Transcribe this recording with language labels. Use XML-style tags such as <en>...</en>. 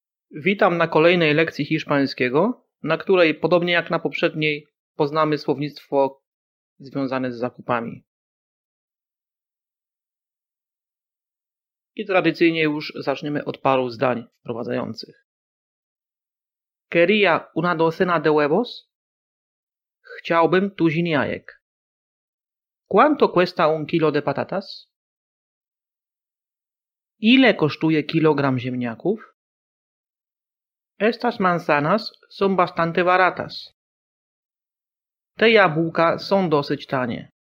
<pl>Witam na kolejnej lekcji hiszpańskiego, na której, podobnie jak na poprzedniej, poznamy słownictwo związane z zakupami. I tradycyjnie już zaczniemy od paru zdań wprowadzających.</pl> <es>Quería una docena de huevos?</es> <pl>Chciałbym tuzin jajek.</pl> <es>¿Cuánto cuesta un kilo de patatas?</es> <pl>Ile kosztuje kilogram ziemniaków?</pl> <es>Estas manzanas son bastante baratas.</es> <pl>Te jabłka są dosyć tanie.</pl>